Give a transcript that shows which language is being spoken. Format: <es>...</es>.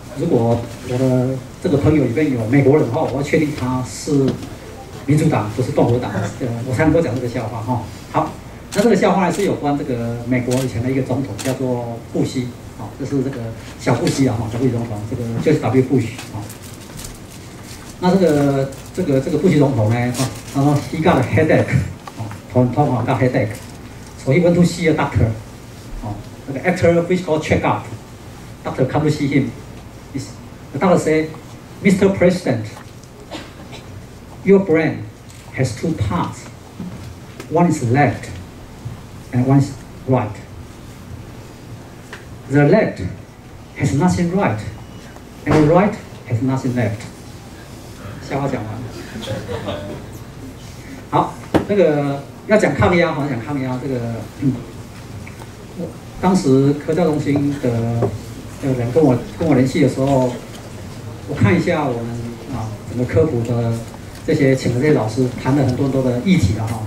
<zh>如果我的这个朋友里面有美国人的话，我要确定他是民主党，不是共和党。我才能够讲这个笑话哈。好，那这个笑话呢是有关这个美国以前的一个总统叫做布希，好，这是这个小布希啊哈，小布希总统，这个就是 W. Bush 啊。那这个布希总统呢，哈，他说</zh> <en>he got a headache，</en> <zh>啊，头啊</zh> <en>got headache， so he went to see a doctor，</en> <zh>啊，那个</zh> <en>actor physical check up， doctor come to see him， the doctor say， Mr. President， your brain has two parts， one is left and one is right， the left has nothing right， and the right has nothing left。</en> <zh>笑话讲完。好，那个要讲抗压，好像讲抗压这个，当时科教中心的人跟我联系的时候，我看一下我们啊整个科普的这些请的这些老师谈了很多的议题了哈。</zh>